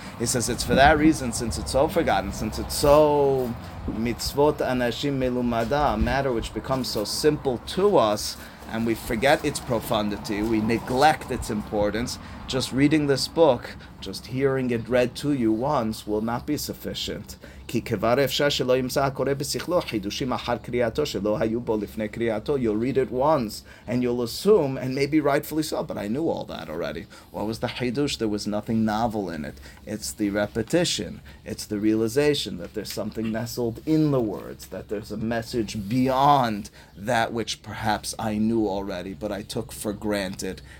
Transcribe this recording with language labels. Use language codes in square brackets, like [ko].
[en] He says, it's for that reason, since it's so forgotten, since it's so [he] mitzvot anashim melumada, [en] a matter which becomes so simple to us, and we forget its profundity, we neglect its importance, just reading this book, just hearing it read to you once, will not be sufficient. [he] כי כבר אפשר שלא ימצא הקורא בשכלו חידושים אחר קריאתו שלא היו בו לפני קריאתו. [en] You'll read it once, and you'll assume, and maybe rightfully so, but I knew all that already. What was the chidush? There was nothing novel in it. It's the repetition. It's the realization that there's something nestled in the words, that there's a message beyond that which perhaps I knew already, but I took for granted.